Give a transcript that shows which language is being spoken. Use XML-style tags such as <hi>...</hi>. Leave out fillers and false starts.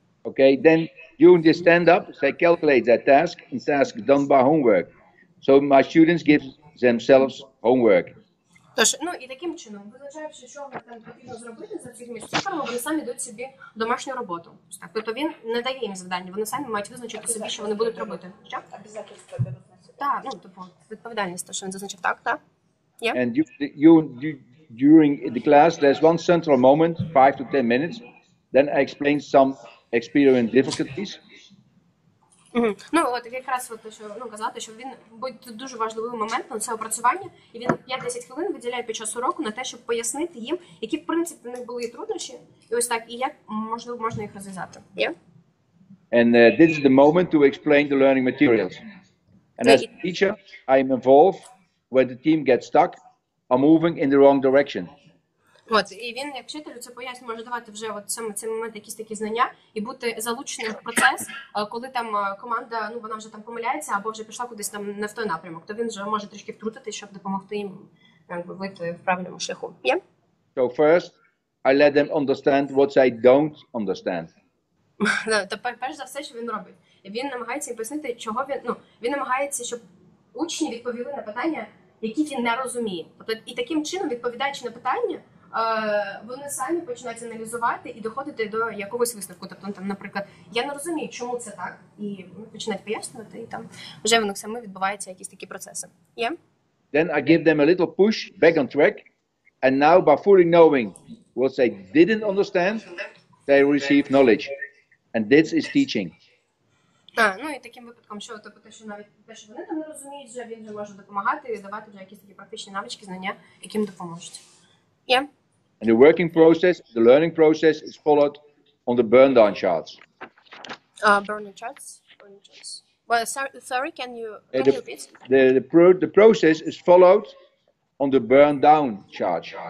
<en>Okay, then during the stand-up, they calculate their task and task done by homework. So my students give themselves homework.</en> <uk>Тож, ну і таким чином, визначаючи, що вам там потрібно зробити за цих місць, цифрами вони самі дають собі домашню роботу. Так, тобто він не дає їм завдання, вони самі мають визначити собі, що вони будуть робити. Що? Обов'язково. Так, ну, тобто відповідальність, то, що він зазначив, так, так.</uk> <en>Yeah. And you, during the class, there's one central moment, 5 to 10 minutes, then I explain some experience difficulties.</en> <uk>Ну, от якраз от, що, ну, казати, що він буде дуже важливий момент на це опрацювання, і він 5-10 хвилин виділяє під час уроку на те, щоб пояснити їм, які в принципі в них були труднощі, і ось так, і як можливо можна їх розв'язати.</uk> <en>Yeah. And this is the moment to explain the learning materials. And as a teacher, I am involved when the team gets stuck or moving in the wrong direction.</en> <uk>От, і він, як вчителю, це пояснює, може давати вже от саме цей момент якісь такі знання і бути залученим в процес, коли там команда, ну, вона вже там помиляється або вже пішла кудись там не в той напрямок, то він вже може трішки втрутитись, щоб допомогти їм якби вийти в правильному шляху.</uk> <en>Yeah? So first, I let them understand what I don't understand.</en> <uk>Тепер перш за все, що він робить, він намагається їм пояснити, чого він, ну, він намагається, щоб учні відповіли на питання, які він не розуміє. Тобто і таким чином, відповідаючи на питання, вони самі починають аналізувати і доходити до якогось висновку. Тобто, там, наприклад, я не розумію, чому це так, і починають пояснювати, і там вже воно саме відбуваються якісь такі процеси.</uk> <en>Yeah? Then I give them a little push back on track, and now by fully knowing what they didn't understand, they receive knowledge. And this is teaching.</en> <uk>Так, ну і таким випадком, що тобто те, що навіть те, що вони там не розуміють, вже він вже може допомагати і давати вже якісь такі практичні навички, знання, яким допоможуть.</uk> <en>Yeah. And the working process, the learning process is followed on the burn down charts. Burn down charts. Well, sorry, can you repeat? The process is followed on the burn down chart.</en>